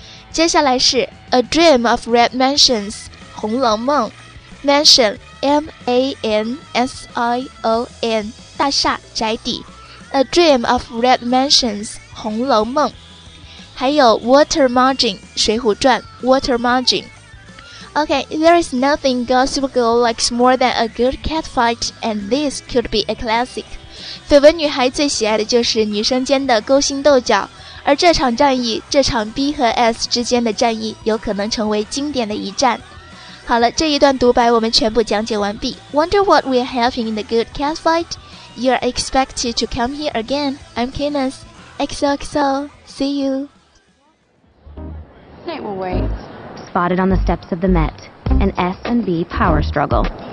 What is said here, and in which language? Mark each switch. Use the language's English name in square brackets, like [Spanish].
[Chinese] 接下来是 A Dream of Red Mansions 红楼梦 Mansion M-A-N-S-I-O-N 大厦宅邸 A Dream of Red Mansions 红楼梦。还有 Water Margin 水浒传 Water Margin。 [English] OK, There is nothing Gossip Girl likes more than a good catfight and this could be a classic。 [Chinese] 绯闻女孩最喜爱的就是女生间的勾心斗角，而这场战役，这场 B 和 S 之间的战役，有可能成为经典的一战。好了，这一段独白我们全部讲解完毕。 [English] Wonder what will happen in the good cat fight? You're expected to come here again. I'm Kenneth. XOXO. See you. Night will wait. Spotted on the steps of the Met. An S and B power struggle.